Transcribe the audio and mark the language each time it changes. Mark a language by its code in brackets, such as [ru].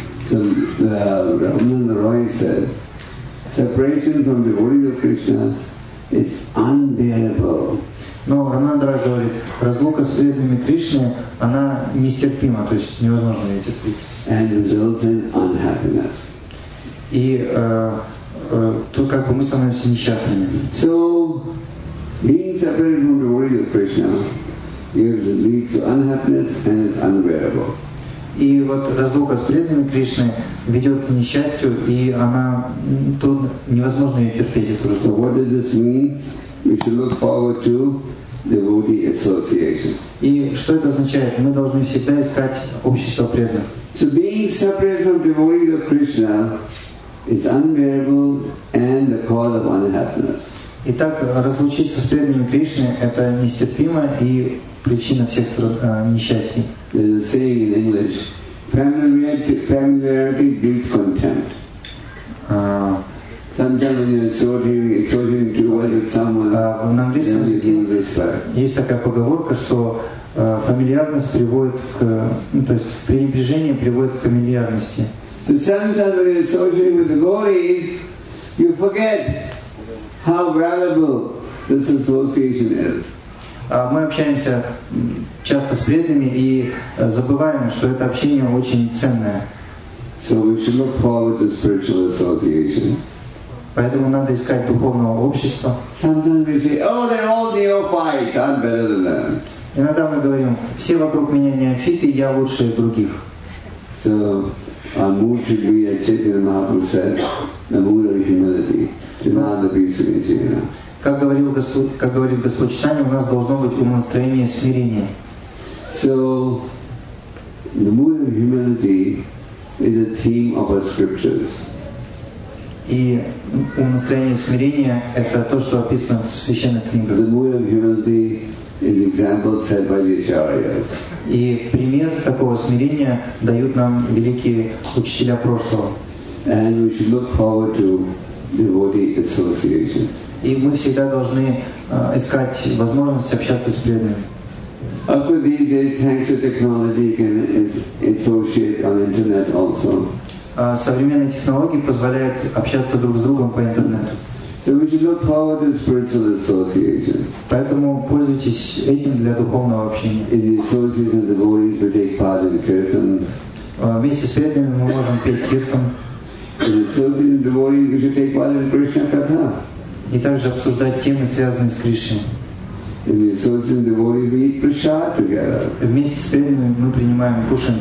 [en] So Ramananda Roy said, separation from the devotees of Krishna is unbearable. [ru] No, Ramananda Roy говорит, разлука с преданными Кришны, она нестерпима, то есть невозможно ее терпеть. [en] And results in unhappiness. [ru] И то, как бы мы становимся несчастными. [en] So being separated from the devotees of Krishna gives lead to unhappiness and is unbearable. [ru] И вот разлука с преданными Кришны ведет к несчастью, и она тут невозможно ее терпеть. [en] So what does this mean? We should look forward to devotee association. [ru] И что это означает? Мы должны всегда искать общество преданных. [en] So being separated from devotees of Krishna is unbearable and the cause of unhappiness. [ru] Итак, разлучиться с преданными Кришны — это нестерпимо и причина всех несчастий. [en] There's a saying in English: familiarity breeds contempt. Sometimes when you're associating too well with someone, then you feel respect. [ru] Есть такая поговорка, что фамильярность приводит к, ну, то есть пренебрежение приводит к фамильярности. [en] So sometimes when you're associating with the devotees, you forget how valuable this association is. [ru] Мы общаемся часто с преданными и забываем, что это общение очень ценное. [en] So we should look forward to spiritual association. [ru] Поэтому надо искать духовного общества. [en] Sometimes we say, oh, they're all neophytes, I'm better than them. [ru] Иногда мы говорим, все вокруг меня неофиты, я лучше других. [en] So our mood should be, as Chaitanya Mahaprabhu said, the mood of humility, to not the peace of nature. [ru] Как говорил Господь, как говорит Господь Читание, у нас должно быть умонастроение смирения. [en] So the mood of humility is a theme of our scriptures. [ru] И умонастроение смирения — это то, что описано в священных книгах. [en] The mood of humility is example set by the acharyas. [ru] И пример такого смирения дают нам великие учителя прошлого. [en] And we should look forward to devotee association. [ru] И мы всегда должны искать возможность общаться с преданными. [en] These days, thanks to technology, you can associate on internet also. [ru] Современные технологии позволяют общаться друг с другом по интернету. [en] So we should look forward to spiritual association. [ru] Поэтому пользуйтесь этим для духовного общения. [en] In the association of devotees, we take part in kirtans. [ru] Вместе с преданными мы можем петь киртан. [en] In the association of devotees, we should take part in Krishna katha. [ru] И также обсуждать темы, связанные с Кришной. Вместе с преданными мы принимаем, кушаем